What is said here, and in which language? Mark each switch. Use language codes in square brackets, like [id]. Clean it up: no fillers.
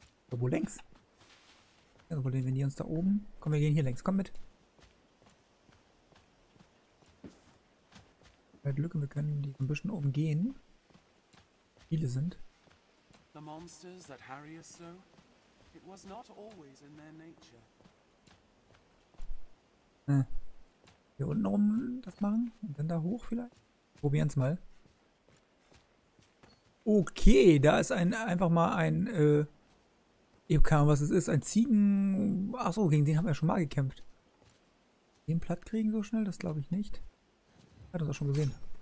[de] Wo längs? Also wollen wir die uns da oben? Komm, wir gehen hier längs. Komm mit. Mit Lücke, wir können die ein bisschen oben gehen. Viele sind. [en] The monsters that harry us so, It was not always in their nature. [de] Hier unten rum das machen und dann da hoch vielleicht? Probieren's mal. Okay, da ist ein einfach mal ein, ich weiß nicht, was es ist, ein Ziegen. Achso, gegen den haben wir ja schon mal gekämpft. Den platt kriegen so schnell, das glaube ich nicht. Hat uns auch schon gesehen.